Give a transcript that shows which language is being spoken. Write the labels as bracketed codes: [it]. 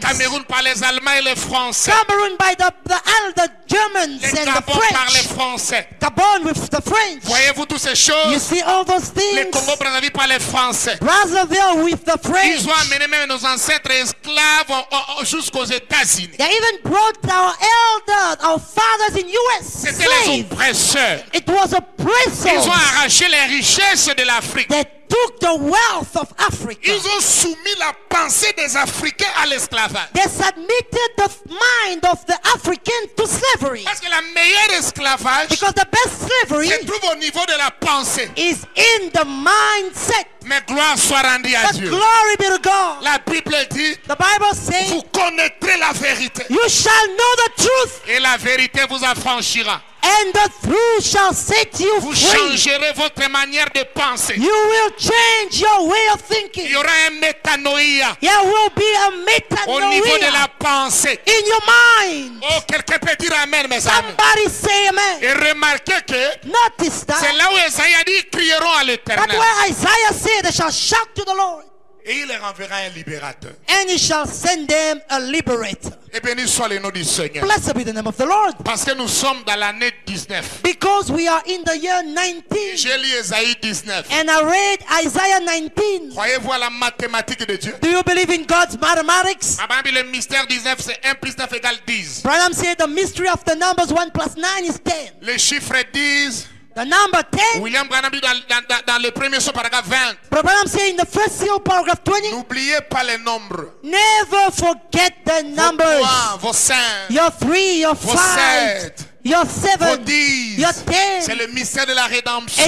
[fr] Le Cameroun par les Allemands et les Français. [en] Cameroon by the Germans [fr] le [en] and Gabon the French. [fr] Par les Français. [en] Gabon with the French. [fr] Voyez-vous toutes ces choses? [en] You see all those things. [fr] Le Congo Brazzaville par les Français. [en] Brazzaville with the French. [fr] Ils ont amené même nos ancêtres esclaves jusqu'aux États-Unis. [en] They even brought our elders, our fathers in US. [fr] C'était les oppresseurs. [en] It was oppressors. [fr] Ils ont arraché les richesses de l'Afrique. [en] They took the wealth of Africa. [fr] Ils ont soumis la pensée des Africains à l'esclavage. [en] They submitted the mind of the African to slavery. [fr] Parce que la meilleure esclavage. [en] Because the best slavery. [fr] Se trouve au niveau de la pensée. [en] Is in the mindset. [fr] Mais gloire soit rendue à [en] But [fr] Dieu. [en] Glory be to God. [fr] La Bible dit. [en] The Bible says. [fr] Vous connaîtrez la vérité. [en] You shall know the truth. [fr] Et la vérité vous affranchira. [en] And the truth shall set you [fr] vous [en] free. [fr] Vous changerez votre manière de penser. [en] You will change your way of thinking. [fr] Il y aura un métanoïa. [en] There will be a métanoïa. [fr] Au niveau de la pensée. [en] In your mind. [fr] Oh, quelqu'un peut dire amen, mes [en] Somebody [fr] amis. [en] Somebody say amen. [fr] Et remarquez que. [en] Notice that. [fr] C'est là où Isaïe a dit, ils crieront à l'Éternel. [en] That's where Isaiah said, they shall shout to the Lord. [fr] Et il leur enverra un libérateur. [en] And he shall send them a liberator. [fr] Et béni soit le nom du Seigneur. [en] Blessed be the name of the Lord. [fr] Parce que nous sommes dans l'année 19. [en] Because we are in the year 19. [fr] Et j'ai lu Isaïe 19. [en] And I read Isaiah 19. [fr] Croyez-vous à la mathématique de Dieu? [en] Do you believe in God's mathematics? [fr] Abraham dit le mystère 19 c'est 1 plus 9 égale 10. [en] Abraham said the mystery of the numbers 1 plus 9 is 10. [fr] Le chiffre 10. [en] The number 10. [fr] William Branham dit dans le premier sous paragraphe 20. [en] Branham said in the first seal paragraph 20. [fr] N'oubliez pas les nombres. [en] Never forget the numbers. [fr] Vos 3, vos 5. [en] Your 3, your 5. [fr] Vos 7. [en] Your 7. [fr] Vos 10. [en] Your 10. [fr] C'est le mystère de la rédemption.